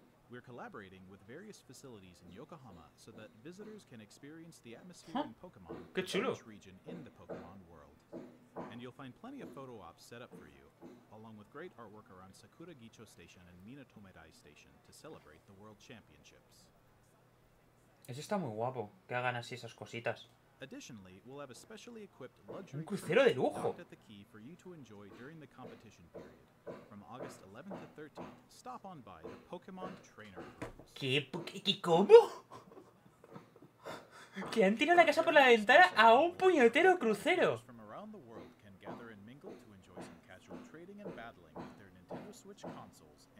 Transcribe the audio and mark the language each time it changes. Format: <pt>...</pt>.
<en>We're collaborating with various facilities in Yokohama so that visitors can experience the atmosphere in Pokemon region in the Pokemon world. And you'll find plenty of photo ops set up for you, along with great artwork around Sakura Gicho Station and Minatomirai Station to celebrate the World Championships.</en> <es>Eso está muy guapo, que hagan así esas cositas.</es> <en>Additionally, we'll have a specially equipped luxury</en> <es>un crucero de lujo.</es> <en>At the key for you to enjoy during the competition period from August 11th to 13th. Stop on by the Pokemon Trainer.</en> <es>¿Qué cómo? ¿Que han tirado la casa por la ventana a un puñetero crucero?</es> <en>From around the world can gather and mingle to enjoy some casual trading and battling with their Nintendo Switch consoles.</en>